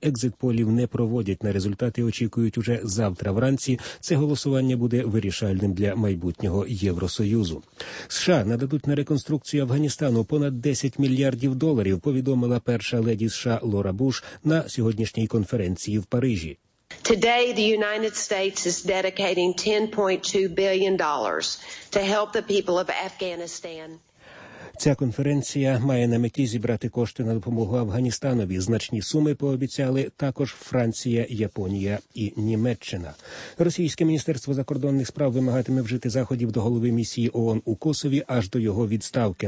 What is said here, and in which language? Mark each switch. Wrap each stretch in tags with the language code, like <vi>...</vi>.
<uk>Екзит-полів не проводять. На результати очікують уже завтра вранці. Це голосування буде вирішальним для майбутнього Євросоюзу. США нададуть на реконструкцію Афганістану понад 10 мільярдів доларів, повідомила перша леді США Лора Буш на сьогоднішній конференції в Парижі.</uk> <en>Today the United States is dedicating $10.2 billion to help the people of Afghanistan.</en> <uk>Ця конференція має на меті зібрати кошти на допомогу Афганістанові. Значні суми пообіцяли також Франція, Японія і Німеччина. Російське міністерство закордонних справ вимагатиме вжити заходів до голови місії ООН у Косові аж до його відставки.</uk>